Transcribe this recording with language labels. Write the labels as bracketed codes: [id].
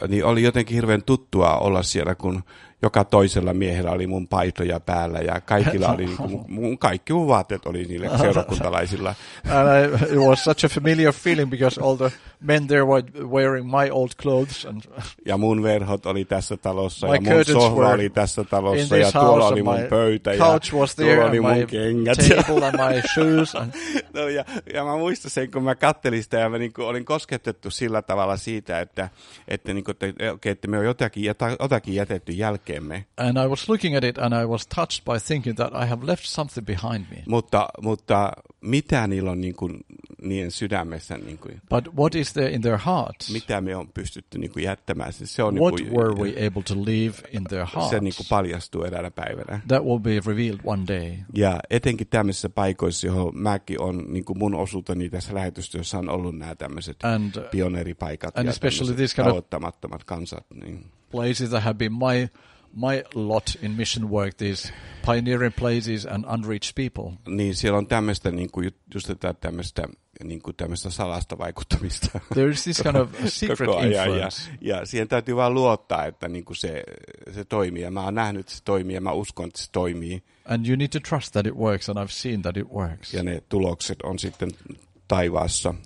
[fi] Niin oli jotenkin hirveän tuttua olla siellä, kun joka toisella miehellä oli mun paitoja päällä ja kaikilla oli niin kuin, mun kaikki mun vaatteet oli niille seurakuntalaisilla. [en] And I, it was such a familiar feeling because all the men there were wearing my old clothes. And [fi] ja mun verhot oli tässä talossa ja mun sohva oli tässä talossa ja tuolla oli mun pöytä ja tuolla oli mun kengät. [en] Table and my shoes and [fi] no, ja mä muistan sen, kun mä kattelin sitä ja mä niin kuin olin kosketettu sillä tavalla siitä, että, niin kuin, että me on jotakin jätetty jälkeemme. [en] And I was looking at it and I was touched by thinking that I have left something behind me. [fi] Mutta mitä niillä on niin kuin, niiden sydämessä? Niin kuin, [en] but what is there in their hearts? [fi] Mitä me on pystytty niin kuin jättämään? Se on, [en] what [fi] niin kuin, [en] were we able to leave in their hearts? [fi] Se niin kuin paljastuu eräänä päivänä. [en] That will be revealed one day. [fi] Ja etenkin tämmöisissä paikoissa, johon mäkin on niin kuin mun osuuteni tässä lähetystyössä on ollut nämä tämmöiset pioneeripaikat [en] and [fi] ja tämmöiset tavoittamattomat kansat. Niin. [en] Places that have been my lot in mission work, these pioneering places and unreached people. [fi] Niin, siellä on tämmöistä, niin kuin, just tämmöistä, niin kuin, tämmöistä salasta vaikuttamista. [en] There is this kind of secret influence. [fi] Ja siihen täytyy vaan luottaa, että niin kuin se toimii. Ja mä oon nähnyt, että se toimii ja mä uskon, että se toimii. [en] And you need to trust that it works, and I've seen that it works. [fi] Ja ne tulokset on sitten taivaassa.